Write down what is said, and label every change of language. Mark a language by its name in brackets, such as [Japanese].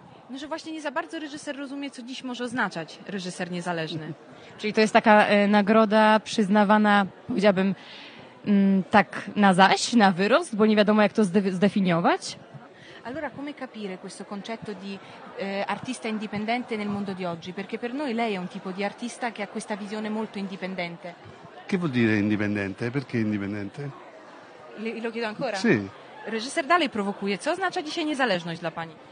[Polish] No, że właśnie nie za bardzo reżyser rozumie, co dziś może oznaczać reżyser niezależny. Czyli to jest taka nagroda przyznawana, powiedziałabym, tak na zaś, na wyrost, bo nie wiadomo, jak to zdefiniować. [Italian] Allora, come capire questo concetto di artista indipendente nel mondo di oggi? Perché per noi lei è un tipo di artista che ha questa visione molto indipendente. Che vuol dire indipendente? Perché indipendente? Lo chiedo ancora? Sì. [Polish] Reżyser dalej prowokuje. Co oznacza dzisiaj niezależność dla pani?